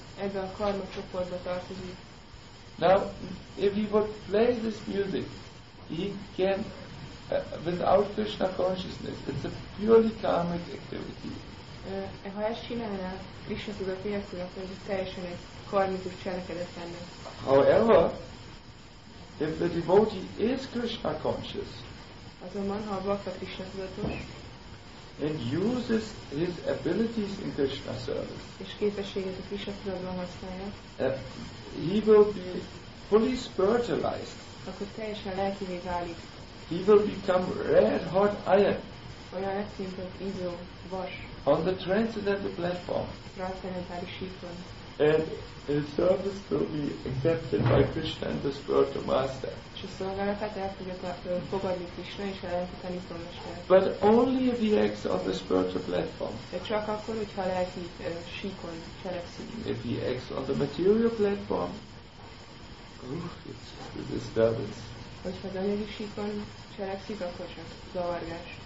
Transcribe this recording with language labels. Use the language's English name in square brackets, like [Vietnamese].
[Hungarian] Ez a karma csoportba tartozik. [English] Now, if he would play this music, he can, without Krishna consciousness, it's a purely karmic activity. [Hungarian] Ha ezt csinálná, Krishna tudat nélkül, akkor ez teljesen egy karmikus cselekedet lenne. [English] However, if the devotee is Krishna conscious, [Hungarian] azonban, ha a bhakta Krishna tudatos, [English] and uses his abilities in Krishna service, [Hungarian] és képességet a Krishna tudatban használja, [English] he will be fully spiritualized. [Hungarian] Akkor teljesen lelkivé válik. [English] He will become red hot iron. [Hungarian] Olyan lesz, mint az ízó vas. [English] On the transcendental platform. [Hungarian] Transcendentális síkon. [English] And his service will be accepted by Krishna and the spiritual master. [Hungarian] És a szolgálatát el fogja fogadni Krishna és a lelki tanítómester. [English] But only if he acts on the spiritual platform. [Hungarian] De csak akkor, hogyha a lelki síkon cselekszik. [English] If he acts on the material platform, it's a disturbance. [Hungarian] Hogyha az anyagi síkon cselekszik, akkor csak zavargás.